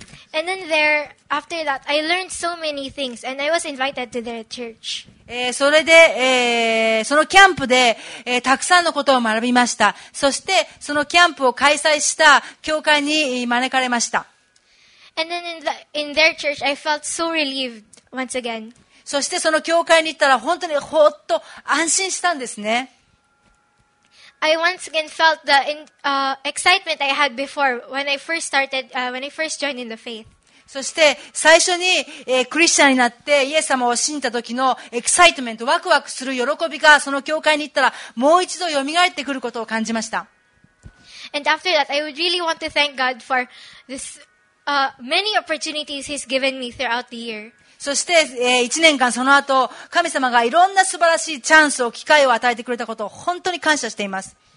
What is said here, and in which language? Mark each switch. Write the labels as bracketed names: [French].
[English] And then there, after that, I learned so many things, and I was invited to their church. [Japanese] それで、そのキャンプで、たくさんのことを学びました。そして、そのキャンプを開催した教会に招かれました。 [English] And then in their church, I felt so relieved once again. [Japanese] そしてその教会に行ったら本当にほっと安心したんですね。 [English] I once again felt the excitement I had before when I first started, when I first joined in the faith. [Japanese] そして最初に、クリスチャンになってイエス様を信じた時のエキサイトメント、ワクワクする喜びがその教会に行ったらもう一度蘇ってくることを感じました。 [English] And after that, I would really want to thank God for this, many opportunities He's given me throughout the year. [Japanese] そして、1年間その後神様がいろんな素晴らしいチャンスを機会を与えてくれたことを本当に感謝しています。